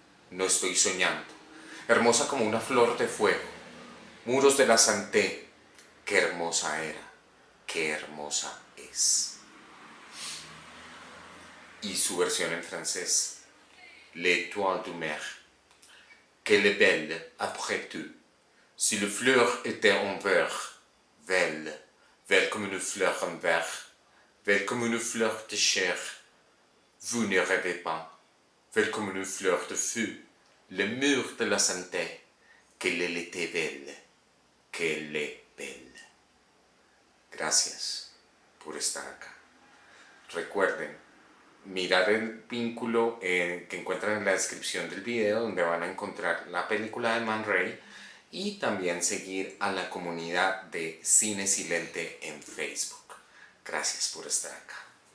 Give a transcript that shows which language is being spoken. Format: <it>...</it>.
<es>No estoy soñando. Hermosa como una flor de fuego. Muros de la Santé. Qué hermosa era, qué hermosa es. Y su versión en francés: L'étoile de mer.</es> <fr>Quelle est belle, après tout. Si la fleur était en vert, belle, belle comme une fleur en vert, belle comme une fleur de chair. Vous ne rêvez pas, belle comme une fleur de feu. Le mur de la Santé, qu'elle était belle, qu'elle est belle.</fr> <es>Gracias por estar acá. Recuerden mirar el vínculo que encuentran en la descripción del video, donde van a encontrar la película de Man Ray, y también seguir a la comunidad de Cine Silente en Facebook. Gracias por estar acá.</es>